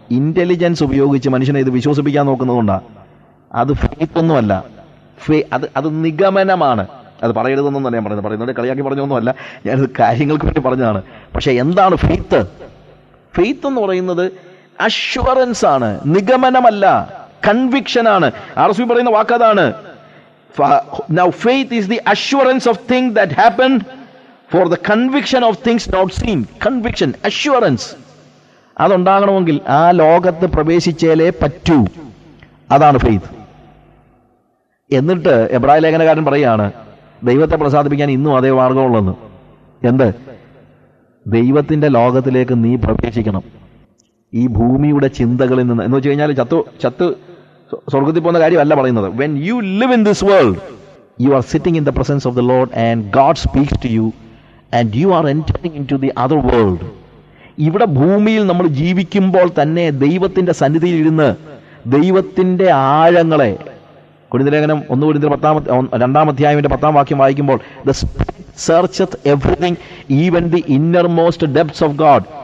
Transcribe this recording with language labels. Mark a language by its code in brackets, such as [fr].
[ml] Intelligence ഉപയോഗിച്ച് മനുഷ്യനെ ഇത് വിശ്വസിപ്പിക്കാൻ നോക്കുന്നതുകൊണ്ടാണ്. അത് ഫെയ്ത്ത് ഒന്നുമല്ല, അത് നിഗമനമാണ്. അത് പറയരുതെന്നൊന്നും ഞാൻ പറയുന്നത് പറയുന്നുണ്ട്, കളിയാക്കി പറഞ്ഞൊന്നുമല്ല, ഞാനത് കാര്യങ്ങൾക്ക് വേണ്ടി പറഞ്ഞതാണ്. പക്ഷേ എന്താണ് ഫെയ്ത്ത്? ഫെയ്ത്ത് എന്ന് പറയുന്നത് അഷ്വറൻസ് ആണ്, നിഗമനമല്ല, കൺവിക്ഷൻ ആണ്. ആർസ്വി പറയുന്ന വാക്ക് അതാണ്. [en] Now faith is the assurance of thing that happened for the conviction of things not seen. Conviction, assurance. [ml] അത് ഉണ്ടാകണമെങ്കിൽ ആ ലോകത്ത് പ്രവേശിച്ചേലേ പറ്റൂ, അതാണ് ഫെയ്ത്ത്. എന്നിട്ട് എബ്രായ ലേഖനകാരൻ പറയുകയാണ്, ദൈവത്തെ പ്രസാദിപ്പിക്കാൻ ഇന്നും അതേ മാർഗമുള്ളെന്ന്. എന്ത്? ദൈവത്തിൻ്റെ ലോകത്തിലേക്ക് നീ പ്രവേശിക്കണം. ഈ ഭൂമിയുടെ ചിന്തകളിൽ നിന്ന് എന്ന് വെച്ച് കഴിഞ്ഞാൽ ചത്ത് സ്വർഗത്തിൽ പോകുന്ന കാര്യമല്ല പറയുന്നത്. [en] When you live in this world, you are sitting in the presence of the Lord and God speaks to you and you are entering into the other world. [ml] ഇവിടെ ഭൂമിയിൽ നമ്മൾ ജീവിക്കുമ്പോൾ തന്നെ ദൈവത്തിൻ്റെ സന്നിധിയിൽ ഇരുന്ന് ദൈവത്തിൻ്റെ ആഴങ്ങളെ, കൊരിന്ത്യലേഖനം 1 Corinthians 2:10 വാക്യം, [en] the spirit searcheth everything even the innermost depths of God.